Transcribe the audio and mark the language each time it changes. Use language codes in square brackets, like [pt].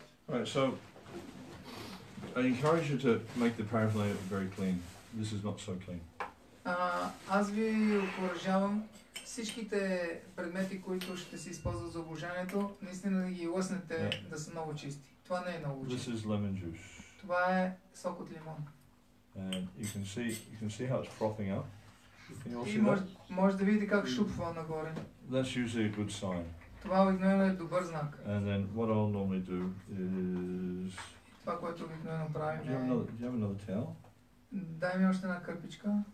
[en] Alright, so I encourage you to make the paraffinator very clean. This is not so clean. [bg] Аз ви окуражавам всичките предмети, които ще се използват за обложението, наистина да ги лъснете да са много чисти. Това не е много чисто. [en] This is lemon juice. [bg] Това е сок от лимон. [en] And you can see how it's frothing up. [bg] И може да видите как шупва нагоре. [en] That's usually a good sign. [bg] Това обикновено е добър знак. [en] And then what I'll normally do is... [bg] Това, което обикновено правим е... [en] Do you have another towel? [bg] Дай ми още една кърпичка.